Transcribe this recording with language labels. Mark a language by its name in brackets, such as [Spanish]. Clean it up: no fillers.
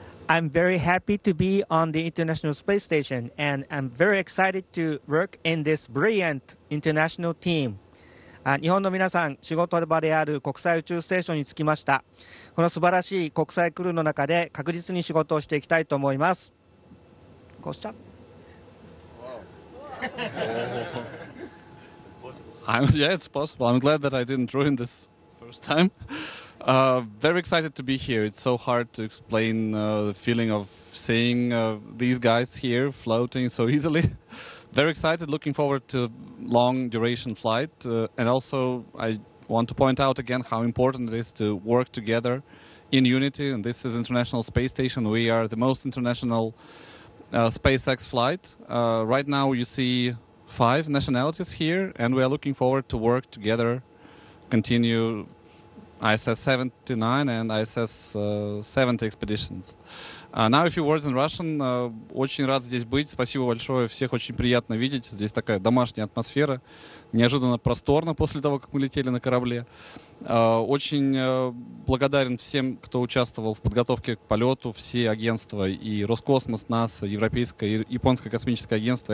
[English] I'm very happy to be on the International Space Station, and I'm very excited to work in this brilliant international team. [Japanese] 日本の皆さん、仕事場である国際宇宙ステーションに着きました。この素晴らしい国際クルーの中で確実に仕事をしていきたいと思います。こうした。 [English] Yeah, it's possible. I'm glad that I didn't ruin this first time. Very excited to be here. It's so hard to explain the feeling of seeing these guys here floating so easily. Very excited, looking forward to long duration flight. And also, I want to point out again how important it is to work together in unity. And this is International Space Station. We are the most international SpaceX flight. Right now, you see 5 nationalities here, and we are looking forward to work together, continue ISS 79 and ISS 70 expeditions. Now a few words in Russian. [Russian] Очень рад здесь быть. Спасибо большое. Всех очень приятно видеть. Здесь такая домашняя атмосфера. Неожиданно просторно после того, как мы летели на корабле. Очень благодарен всем, кто участвовал в подготовке к полету. Все агентства и Роскосмос, НАСА, Европейское и Японское космическое агентство.